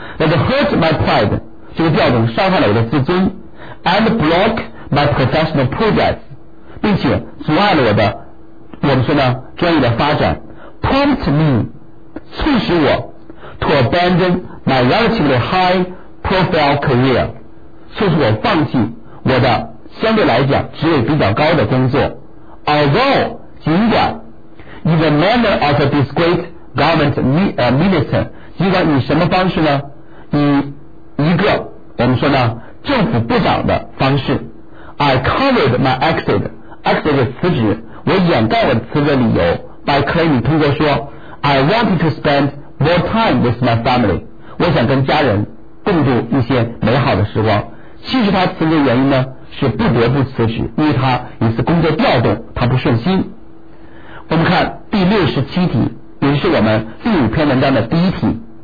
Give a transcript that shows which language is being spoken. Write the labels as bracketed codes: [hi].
[en] That hurt my pride， [zh] 这个调动伤害了我的自尊 ， [en] and block my professional progress， [zh] 并且阻碍了我的，我们说呢，专业的发展。 [en] Prompt me， [zh] 促使我 [en] to abandon my relatively high profile career， [zh] 促使我放弃我的相对来讲职位比较高的工作。 [en] Although [zh] 尽管。 [en] In the manner of a discreet government minister， [zh] 尽管以什么方式呢？以一个我们说呢政府部长的方式。 [en] I covered my exit [zh] 是辞职，我掩盖了辞职的理由。 [en] By claiming [zh] 通过说 [en] I wanted to spend more time with my family， [zh] 我想跟家人共度一些美好的时光。其实他辞职的原因呢是不得不辞职，因为他一次工作调动他不顺心。我们看第67题，也是我们第五篇文章的第一题。